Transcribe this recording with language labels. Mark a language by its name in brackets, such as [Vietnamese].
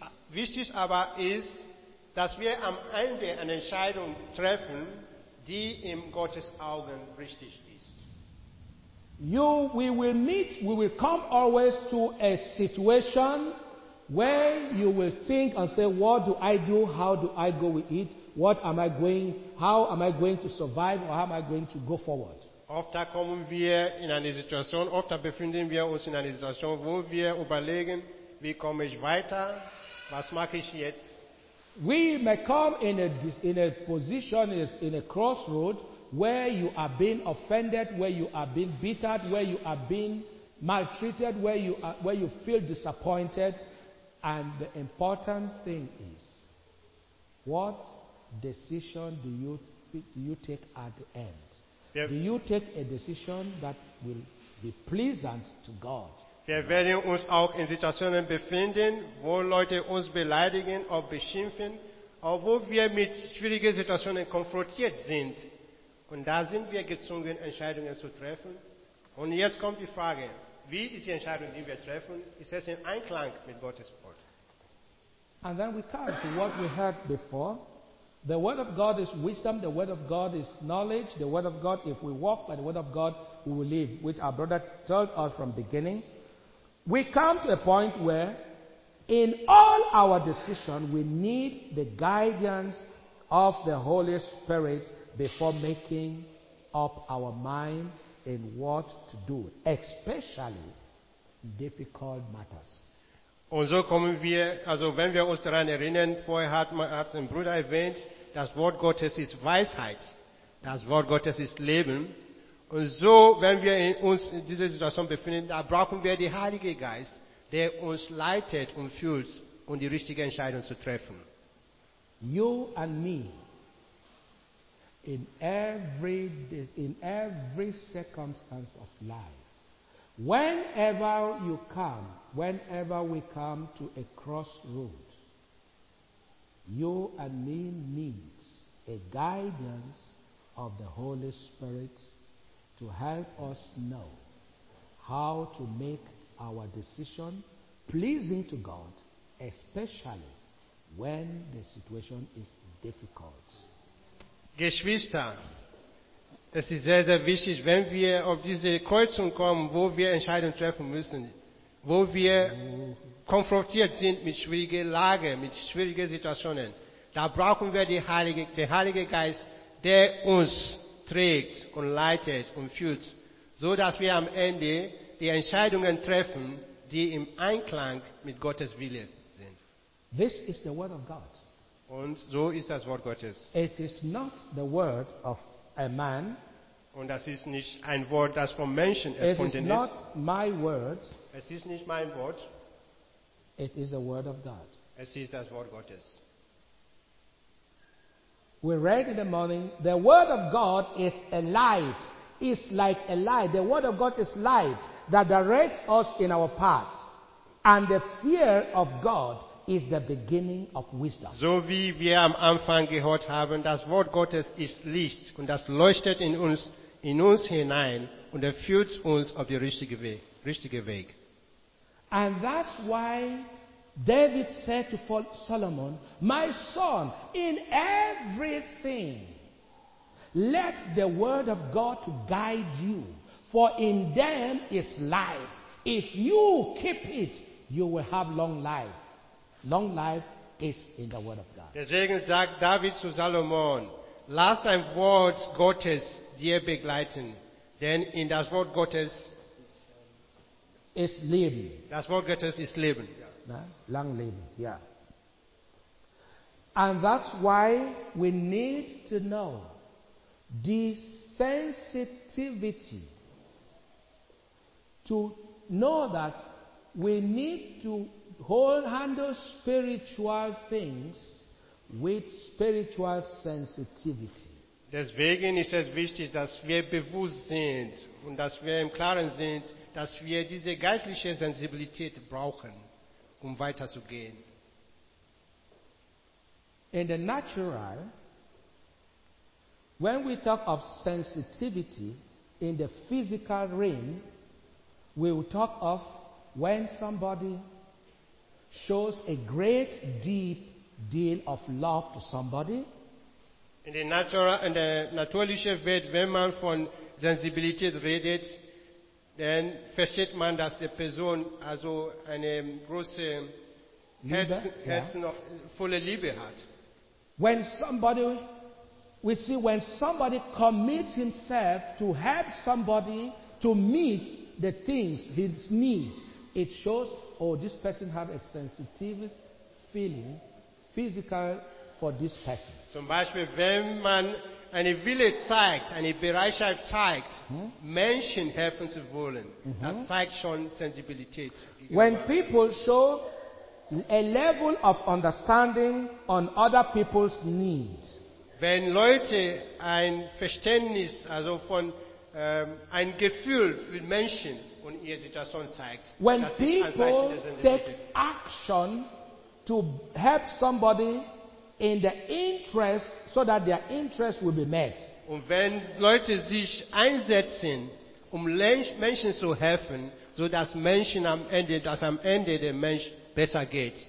[German] Wichtig ist aber, dass wir am Ende eine Entscheidung treffen, die in Gottes Augen richtig ist. [English] We will come always to a situation where you will think and say, what do I do? How do I go with it? What am I going? How am I going to survive? Or how am I going to go forward? [German] Oft befinden wir uns in einer Situation, wo wir überlegen, wie komme ich weiter? Was mache ich jetzt? [English] We may come in a crossroad where you are being offended, where you are being bitter, where you are being maltreated, where you feel disappointed. And the important thing is, what decision do you take at the end? Yep. Do you take a decision that will be pleasant to God? [German] Wir werden uns auch in Situationen befinden, wo Leute uns beleidigen oder beschimpfen, oder wo wir mit schwierigen Situationen konfrontiert sind. Und da sind wir gezwungen, Entscheidungen zu treffen. Und jetzt kommt die Frage, wie ist die Entscheidung, die wir treffen? Ist es in Einklang mit Gottes Wort? [English] And then we come to what we heard before. The word of God is wisdom, the word of God is knowledge, the word of God, if we walk by the word of God, we will live, which our brother told us from the beginning. We come to a point where in all our decisions we need the guidance of the Holy Spirit before making up our mind in what to do, especially difficult matters. [German] Und so kommen wir, also wenn wir uns daran erinnern, vorher hat ein Bruder erwähnt, das Wort Gottes ist Weisheit, das Wort Gottes ist Leben. Und so, wenn wir uns in dieser Situation befinden, da brauchen wir den Heiligen Geist, der uns leitet und führt, um die richtige Entscheidung zu treffen. [English] You and me, in every circumstance of life, whenever we come to a crossroad, you and me need a guidance of the Holy Spirit to help us know how to make our decision pleasing to God, especially when the situation is difficult. [German] Geschwister, es ist sehr, sehr wichtig, wenn wir auf diese Kreuzung kommen, wo wir Entscheidungen treffen müssen, wo wir konfrontiert sind mit schwierigen Lagen, mit schwierigen Situationen, da brauchen wir den Heiligen Geist, der uns trägt und leitet und führt, so dass wir am Ende die Entscheidungen treffen, die im Einklang mit Gottes Wille sind. [English] This is the word of God. [German] Und so ist das Wort Gottes. [English] It is not the word of a man. [German] Und das ist nicht ein Wort, das von Menschen erfunden ist. [English] It is not my words. [German] Es ist nicht mein Wort. [English] It is the word of God. [German] Es ist das Wort Gottes. [English] We read in the morning, the word of God is a light, is like a light. The word of God is light that directs us in our paths. And the fear of God is the beginning of wisdom. [German] So wie wir am Anfang gehört haben, das Wort Gottes ist Licht und das leuchtet in uns hinein und er führt uns auf den richtigen Weg. [English] And that's why David said to Solomon, my son, in everything, let the word of God to guide you, for in them is life. If you keep it, you will have long life. Long life is in the word of God. [German] Deswegen sagt David zu Solomon, lass dein Wort Gottes dir begleiten, denn in das Wort Gottes ist Leben. Das Wort Gottes ist Leben. lang leben. Ja. [English] And that's why we need to know the sensitivity to know that we need to hold handle spiritual things with spiritual sensitivity. [German] Deswegen ist es wichtig, dass wir bewusst sind und dass wir im Klaren sind, dass wir diese geistliche Sensibilität brauchen, um weiterzugehen. [English] In the natural, when we talk of sensitivity in the physical realm, we will talk of when somebody shows a great deep deal of love to somebody. In the natural, in the [German] natürliche Welt, wenn man von Sensibilität redet, dann versteht man, dass die Person also eine große Herzen noch volle Liebe hat. [English] When somebody commits himself to help somebody to meet the things his needs, it shows, oh, this person has a sensitive feeling, physical for this person. [German] Zum Beispiel, wenn man eine Wille zeigt, eine Bereitschaft zeigt, Menschen helfen zu wollen, das zeigt schon Sensibilität. [English] When people show a level of understanding on other people's needs. [German] Wenn Leute ein Verständnis, also von ein Gefühl für Menschen und ihre Situation zeigt, [English] when people take action to help somebody in their interest, so that their interest will be met. [German] Und wenn Leute sich einsetzen, um Menschen zu helfen, so dass Menschen am Ende der Mensch besser geht.